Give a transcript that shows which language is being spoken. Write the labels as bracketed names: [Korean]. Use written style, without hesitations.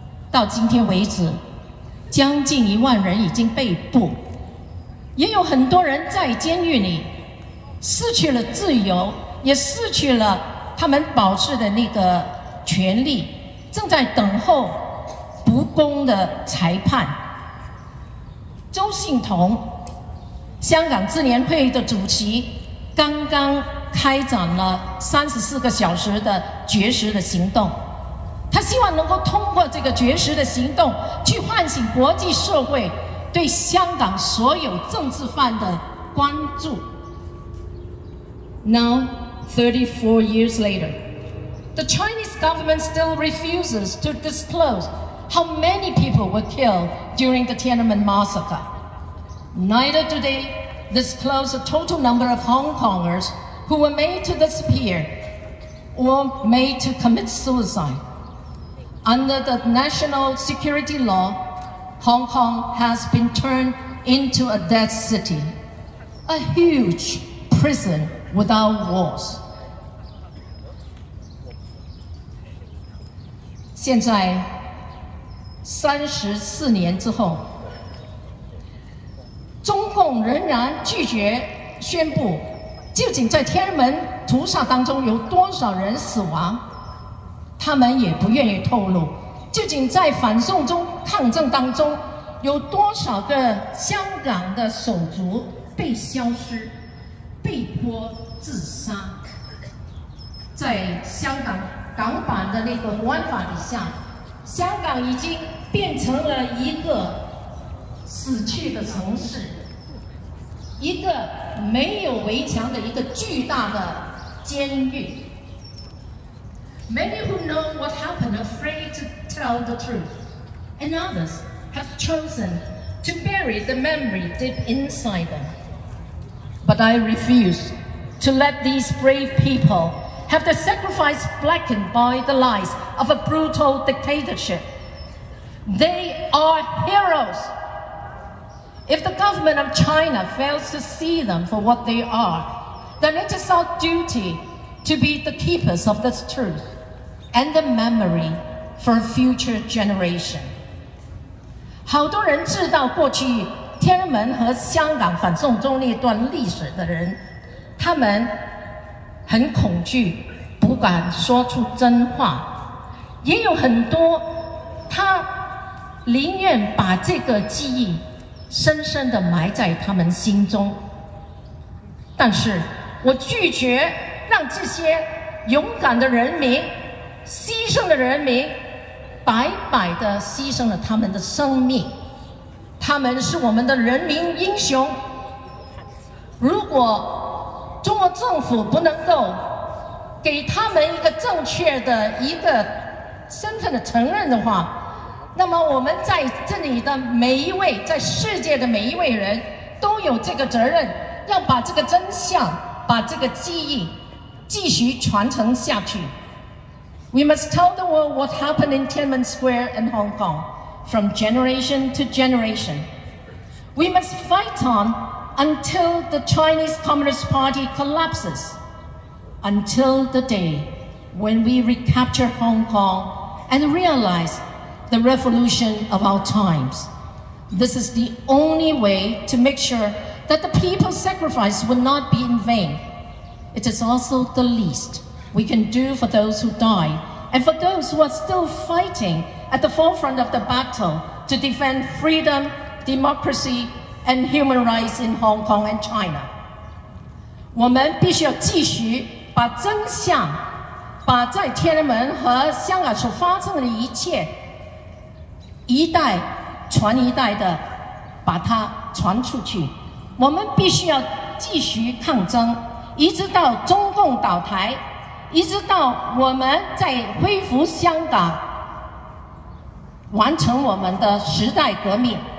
[Chinese] 到今天为止，将近10,000人已经被捕，也有很多人在监狱里失去了自由，也失去了他们保释的那个权利，正在等候不公的裁判。周幸彤，香港智联会的主席，刚刚开展了34个小时的绝食的行动。他希望能够通过这个绝食的行动去唤醒国际社会对香港所有政治犯的关注。 [English] Now, 34 years later, the Chinese government still refuses to disclose how many people were killed during the Tiananmen massacre. Neither do they disclose the total number of Hong Kongers who were made to disappear or made to commit suicide. Under the national security law, Hong Kong has been turned into a death city, a huge prison without walls. [Chinese] 现在三十四年之后，中共仍然拒绝宣布究竟在天安门屠杀当中有多少人死亡，他们也不愿意透露究竟在反送中抗争当中有多少个香港的手足被消失、被迫自杀。在香港港版的那个国安法底下，香港已经变成了一个死去的城市，一个没有围墙的一个巨大的监狱。 [English] Many who know what happened are afraid to tell the truth, and others have chosen to bury the memory deep inside them. But I refuse to let these brave people have their sacrifice blackened by the lies of a brutal dictatorship. They are heroes. If the government of China fails to see them for what they are, then it is our duty to be the keepers of this truth and the memory for a future generation. [Chinese] 好多人知道过去天安门和香港反送中那段历史的人，他们很恐惧，不敢说出真话。也有很多他宁愿把这个记忆深深地埋在他们心中。但是我拒绝让这些勇敢的人民、牺牲的人民白白地牺牲了他们的生命。他们是我们的人民英雄。如果中国政府不能够给他们一个正确的一个身份的承认的话，那么我们在这里的每一位，在世界的每一位人都有这个责任，要把这个真相、把这个记忆继续传承下去。 [English] We must tell the world what happened in Tiananmen Square and Hong Kong from generation to generation. We must fight on until the Chinese Communist Party collapses, until the day when we recapture Hong Kong and realize the revolution of our times. This is the only way to make sure that the people's sacrifice will not be in vain. It is also the least we can do for those who die and for those who are still fighting at the forefront of the battle to defend freedom, democracy, and human rights in Hong Kong and China. [Chinese] 我们必须要继续把真相，把在天安门和香港所发生的一切一代传一代的把它传出去。我们必须要继续抗争，一直到中共倒台，一直到我们在恢复香港，完成我们的时代革命。